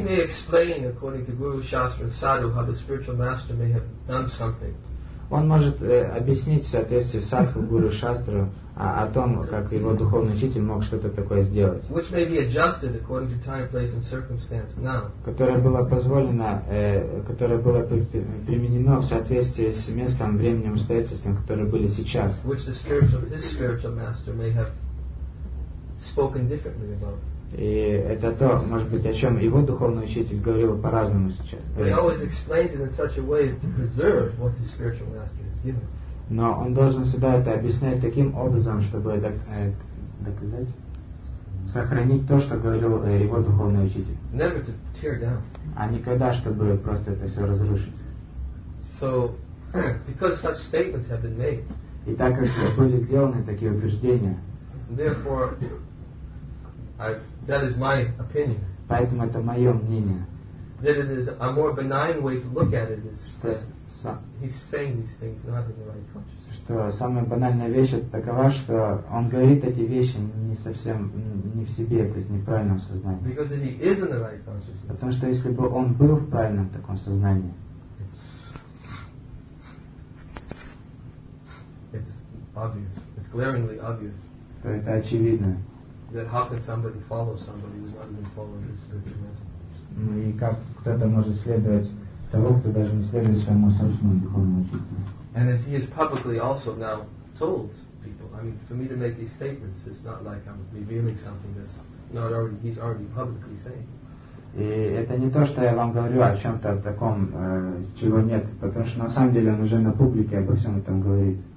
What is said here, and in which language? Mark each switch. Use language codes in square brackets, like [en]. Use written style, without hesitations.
[en] He may explain according to Guru Shastra and Sadhu how the spiritual master may have done something. [ru] Он может объяснить в соответствии с садху, гуру, шастру о том, как его духовный учитель мог что-то такое сделать. [en] Which may be adjusted according to time, place and circumstance now. [ru] Которое было позволено, которое было применено в соответствии с местом, временем, обстоятельствам, которые были сейчас. [en] Which the spiritual, his spiritual master may have spoken differently about. [ru] И это то, может быть, о чем его духовный учитель говорил по-разному сейчас. [en] But he always explains it in such a way as to preserve what his spiritual master has given. [ru] Но он должен всегда это объяснять таким образом, чтобы доказать, сохранить то, что говорил его духовный учитель. [en] Never to tear down. [ru] А никогда, чтобы просто это все разрушить. [en] So, because such statements have been made. [ru] И так как были сделаны такие утверждения. [en] Therefore. That is my opinion. [ru] Поэтому это мое мнение. [en] That it is a more benign way to look at it is that he's saying these things not in the right consciousness. [ru] Что самая банальная вещь такова, что он говорит эти вещи не совсем не в себе, то есть в неправильном сознании. [en] Because if he is in the right consciousness. [ru] Потому что если бы он был в правильном таком сознании. [en] It's obvious. It's glaringly obvious. [ru] То это очевидно. [en] That how can somebody follow somebody who's not even following his spiritual master? [ru] И как кто-то может следовать того, кто даже не следует своему собственному духовному учителю? [en] And as he has publicly also now told people. I mean, for me to make these statements, it's not like I'm revealing something that's not already, he's already publicly saying. [ru] И это не то, что я вам говорю о чем-то таком, чего нет, потому что на самом деле он уже на публике обо всем этом говорит.